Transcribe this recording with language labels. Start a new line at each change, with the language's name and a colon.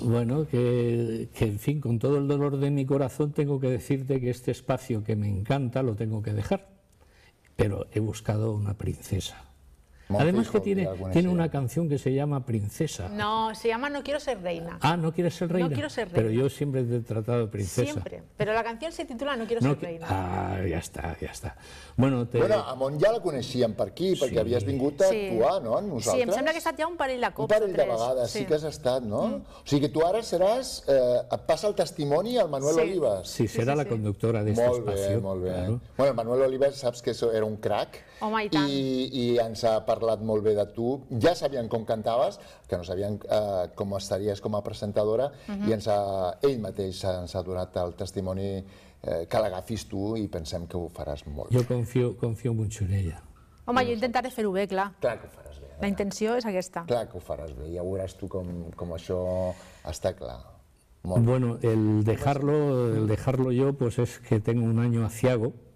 Spanish: Bueno, en fin, con todo el dolor de mi corazón tengo que decirte que este espacio que me encanta lo tengo que dejar. Pero he buscado una princesa. Además que tiene una canción que se llama Princesa. No, se llama No quiero ser reina. Ah, ¿no quieres ser reina? No quiero ser reina. Pero yo siempre te he tratado de princesa. Siempre. Pero la canción se titula No quiero ser reina. Ah, ya está, ya está. Bueno,
Catalan: Amon ya la coneixíem per aquí, perquè havies vingut a actuar, no? Sí, em sembla que he estat ja un parell de cops. Un parell de vegades, sí que has estat, no? O sigui que tu ara seràs... Et passa el testimoni al Manuel Olivas. Sí, serà la conductora d'aquest espai. Molt bé, molt bé. Bueno, Manuel Olivas saps que era un crac. Home, i tant. I ens ha parlat molt bé de tu. Ja sabien com cantaves, que no sabien com estaries com a presentadora, i ell mateix ens ha donat el testimoni que l'agafis tu i pensem que ho faràs molt bé. Jo confio
Spanish: mucho en ella.
Catalan: Home, jo intentaré fer-ho bé, clar. Clar que ho faràs bé. La intenció és aquesta. Clar que ho faràs bé, ja veuràs tu com això està clar.
Spanish: Bueno, el dejarlo yo, pues es que tengo un año aciago.